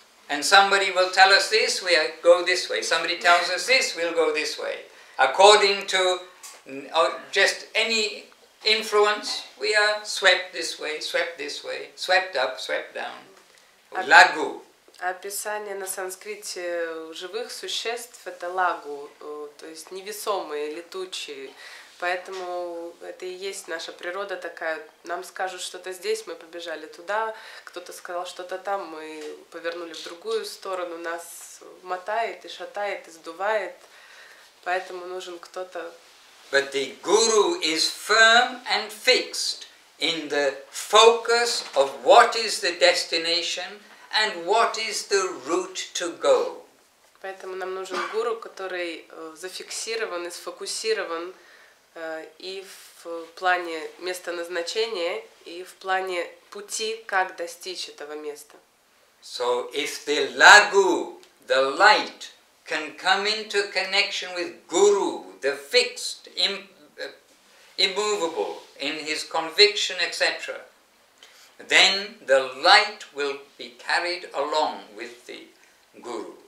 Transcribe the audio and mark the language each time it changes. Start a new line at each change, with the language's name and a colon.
English: And somebody will tell us this, we go this way. Somebody tells us this, we'll go this way. According to just any influence, we are swept this way, swept this way, swept up, swept down.
Sanskrit: Лагу.
Russian: Описание на санскрите живых существ это лагу, то есть невесомые, летучие. Поэтому это и есть наша природа такая. Нам скажут что-то здесь, мы побежали туда. Кто-то сказал что-то там, мы повернули в другую сторону. Нас мотает и шатает, и сдувает. Поэтому нужен кто-то.
English: But the guru is firm and fixed in the focus of what is the destination and what is the route to go.
Russian: Поэтому нам нужен гуру, который зафиксирован и сфокусирован и в плане места назначения, и в плане пути, как достичь этого места.
English: So if the lagu, the light, can come into connection with guru, the fixed, immovable, in his conviction, etc., then the light will be carried along with the guru.